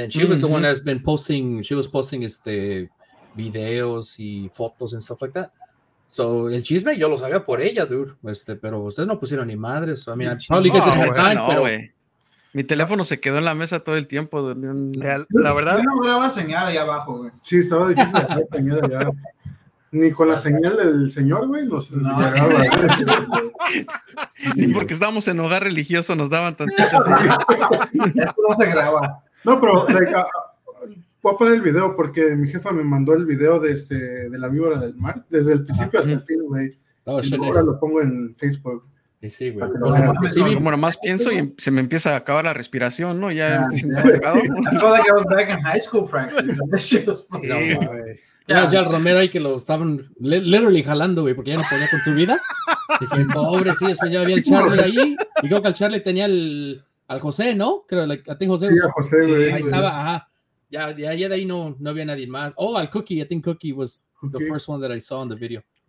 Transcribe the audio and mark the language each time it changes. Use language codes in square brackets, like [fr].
[en] and she was mm-hmm. the one that's been posting. She was posting videos [es] y fotos [en] and stuff like that. [es] So el chisme yo lo sabía por ella, dude. Pero ustedes no pusieron ni madres. [en] So, I mean, I probably guess it's time. [es] No, pero... mi teléfono se quedó en la mesa todo el tiempo. La verdad. Yo no grababa señal ahí abajo, güey. Sí, estaba difícil de grabar señal allá. Ni con la señal del señor, güey, nos llegaba. No. Ni porque estábamos en hogar religioso nos daban tantitas. No se graba. No, pero voy a poner el video porque mi jefa me mandó el video de la víbora del mar, desde el principio hasta el fin, güey. Ahora lo pongo en Facebook. Sí, güey. Sí, bueno, más sí, pienso y se me empieza a acabar la respiración, ¿no? Ya estoy sin sacado. [en] I thought like I was back in high school practice. [es] No, güey. Ya el Romero ahí que lo estaban literally jalando, güey, porque ya no podía con su vida. Dije, pobre, sí, después ya había el Charlie ahí. Y creo que el Charlie tenía al José, ¿no? Creo, [en] I think José. [es] Sí, a José, sí, güey. Ahí güey. Estaba, ajá. Ya de ahí no había nadie más. [en] Oh, al Cookie, I think Cookie was the first one that I saw in the video.